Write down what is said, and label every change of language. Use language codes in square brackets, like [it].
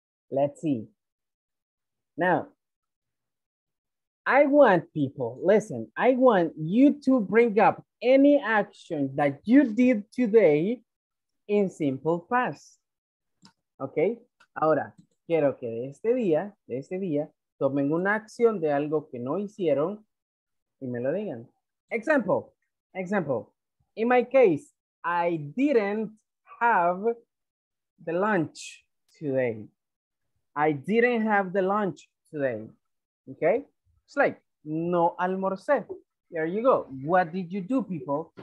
[en] Let's see. Now, I want people, listen, I want you to bring up any action that you did today in simple past. [es] Okay, ahora, quiero que de este día, tomen una acción de algo que no hicieron y me lo digan. [en] Example. In my case, I didn't have the lunch today. I didn't have the lunch today. Okay? It's like, [es] no almorcé. [en] There you go. What did you do, people?